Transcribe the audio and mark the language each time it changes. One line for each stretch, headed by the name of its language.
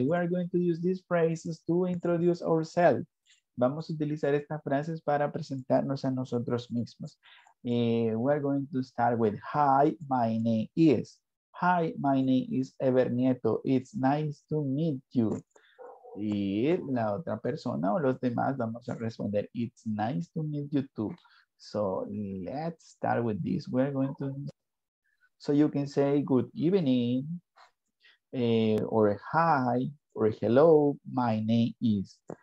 English: We are going to use these phrases to introduce ourselves.
Spanish: Vamos a utilizar estas frases para presentarnos a nosotros mismos.
English: We're going to start with, hi, my name is. Hi, my name is Ever Nieto. It's nice to meet you.
Spanish: Y la otra persona o los demás vamos a responder,
English: it's nice to meet you too. So let's start with this. We're going to... So you can say good evening, or hi, or hello, my name is.